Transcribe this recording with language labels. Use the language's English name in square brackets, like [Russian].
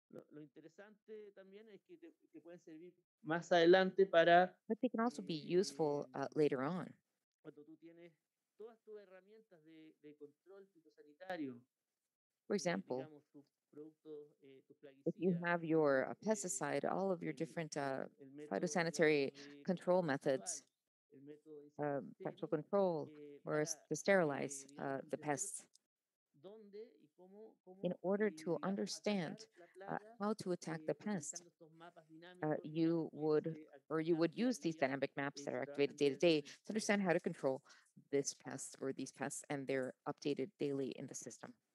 [Spanish] Lo interesante también es que te pueden servir más adelante para. [English] But they can also be useful later on. [Spanish] Cuando tú tienes todas tus herramientas de control fitosanitario. [English] For example, [Spanish] digamos, tu producto, tu plaguicida, [English] if you have your pesticide, all of your different phytosanitary control methods, pest control, or to sterilize the pests. [Spanish] ¿Dónde? [English] In order to understand how to attack the pest, you would use these dynamic maps that are activated day to day to understand how to control this pest or these pests, and they're updated daily in the system.